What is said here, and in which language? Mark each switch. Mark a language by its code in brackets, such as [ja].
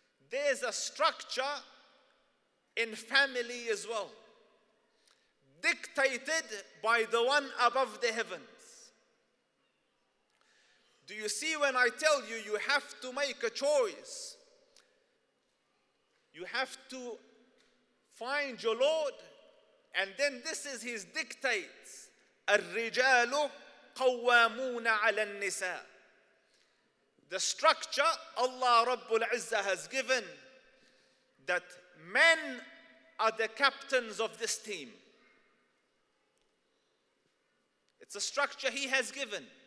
[en] There's a structure in family as well, dictated by the one above the heavens. Do you see when I tell you, you have to make a choice? You have to find your Lord, and then this is his dictates. [ar] الرجال قوامون على النساء. [en] The structure Allah Rabbul Izzah has given, that men are the captains of this team. It's a structure he has given.